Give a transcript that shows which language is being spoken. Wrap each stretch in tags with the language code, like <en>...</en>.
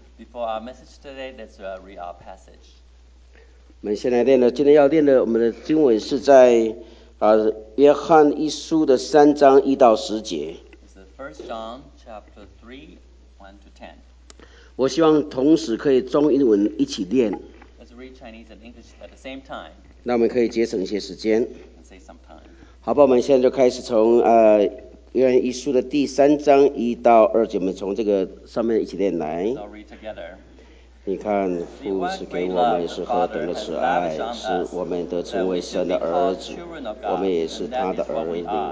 <en>Before our message today, let's read our passage.</en> <zh>我们先来念的，今天要念的我们的经文是在约翰一书的三章一到十节。</zh> <en>It's the First John chapter 3, 1 to 10.</en> <zh>我希望同时可以中英文一起念。</zh> <en>Let's read Chinese and English at the same time.</en> <zh>那我们可以节省一些时间。</zh> <en>Say some time.</en> <zh>好吧，我们现在就开始从约翰一书的第三章一到二节，我们从这个上面一起念来。</zh> <en>So、read together.</en> <zh>你看，父是给我们是何等的慈爱，使我们得称为神的儿子，我们也是他的儿女。</zh>